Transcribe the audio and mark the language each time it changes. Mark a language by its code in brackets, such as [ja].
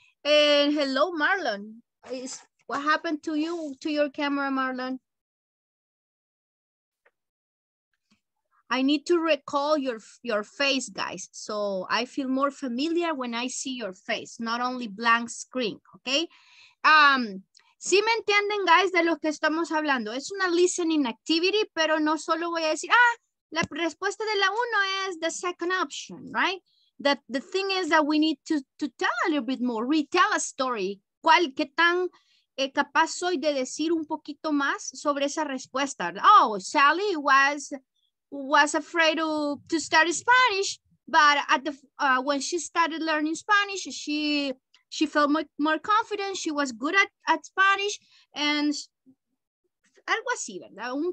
[en] And hello, Marlon. What happened to you, to your camera, Marlon? I need to recall your face, guys. So I feel more familiar when I see your face, not only blank screen, okay? [es] ¿Sí me entienden, guys, de lo que estamos hablando? Es una listening activity, pero no solo voy a decir, la respuesta de la uno es the second option, right? [en] The thing is that we need to tell a little bit more, retell a story. [es] ¿Cuál, qué tan capaz soy de decir un poquito más sobre esa respuesta? [en] Oh, Sally was afraid to start Spanish, but when she started learning Spanish, she felt more confident, she was good at Spanish, and algo así, ¿verdad?